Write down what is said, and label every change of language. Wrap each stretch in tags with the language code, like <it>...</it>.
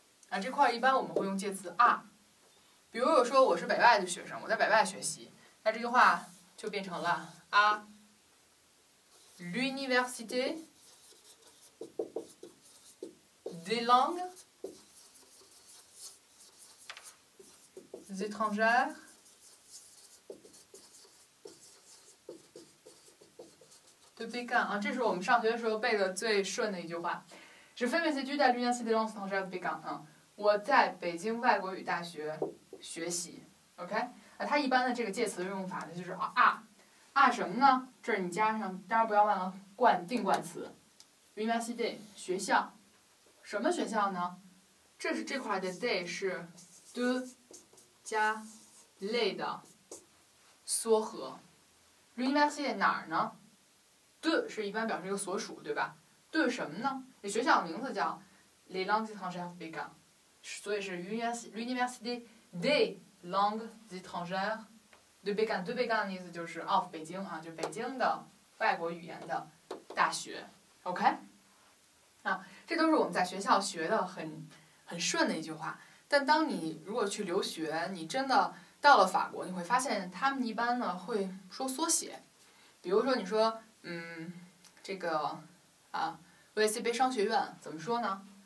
<zh>啊，这块一般我们会用介词 à， 比如说我是北外的学生，我在北外学习，那这句话就变成了</zh> <fr>à l'université des langues。 étrangères de Pékin</fr> <zh>啊，这是我们上学的时候背的最顺的一句话。</zh> <fr>Je fais mes études à l'université des langues étrangères de Pékin 啊，</fr> <zh>我在北京外国语大学学习。 OK， 啊，它一般的这个介词用法呢，就是啊啊什么呢？这是你加上，当然不要忘了冠定冠词 ，université 学校，什么学校呢？这是这块的 de 是 de。加类的缩合 ，l'université 哪儿呢 ？de 是一般表示一个所属，对吧 ？de 什么呢？你学校的名字叫</zh> <fr>Les Langues étrangères de Pékin，</fr> <zh>所以是</zh> <fr>l'université des Langues étrangères de Pékin。 de Pékin</fr> <zh>的意思就是 of 北京啊，就北京的外国语言的大学。 OK， 啊，这都是我们在学校学的很顺的一句话。但当你如果去留学，你真的到了法国，你会发现他们一般呢会说缩写，比如说你说这个啊 ，ESCP 商学院怎么说呢？</zh>